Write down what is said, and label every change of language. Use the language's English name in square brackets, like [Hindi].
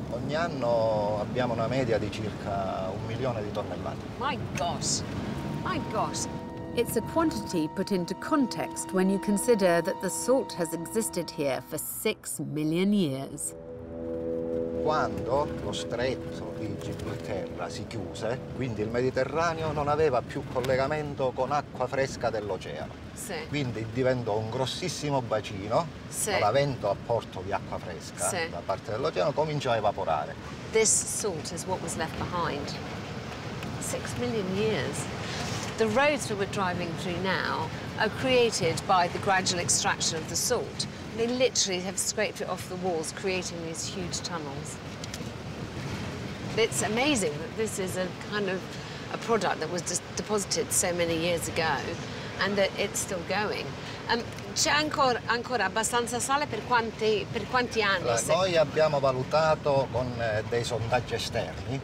[Italian] Ogni anno abbiamo una media di circa 1 milione di tonnellate. [English] My gosh! My gosh! It's a quantity put into context when you consider that the salt has existed here for 6 million years. [Italian] Quando lo stretto di Gibilterra si chiuse, quindi il Mediterraneo non aveva più collegamento con acqua fresca dell'oceano. Sì. Quindi diventò un grossissimo bacino, sì. Con avendo apporto di acqua fresca, sì. Da parte dell'oceano cominciò a evaporare. [English] This salt is what was left behind. 6 million years. The roads we were driving through now are created by the gradual extraction of the salt. They literally have scraped it off the walls, creating these huge tunnels. It's amazing that this is a kind of a product that was just deposited so many years ago and that it's still going. [Italian] C'è ancora abbastanza sale per quanti anni? Allora, noi abbiamo valutato con dei sondaggi esterni.